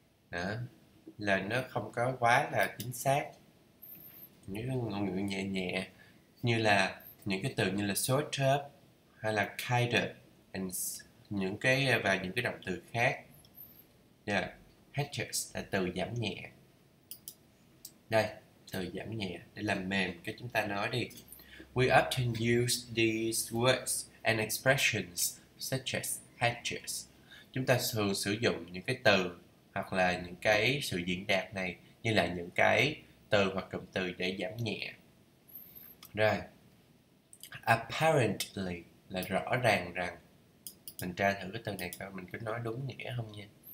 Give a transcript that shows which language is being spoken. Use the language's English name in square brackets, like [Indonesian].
[Vietnamese] Đó, là nó không có quá là chính xác. Những ngôn ngữ nhẹ nhẹ như là những cái từ như là sort of hay là kind of, and những cái và những cái động từ khác. Hatches là từ giảm nhẹ. Đây, từ giảm nhẹ để làm mềm cái chúng ta nói đi. [English] We often use these words and expressions such as hatches. [Vietnamese] Chúng ta thường sử dụng những cái từ hoặc là những cái sự diễn đạt này như là những cái từ hoặc cụm từ để giảm nhẹ. Rồi. Apparently là rõ ràng rằng. Mình tra thử cái từ này coi mình có nói đúng nghĩa không nha.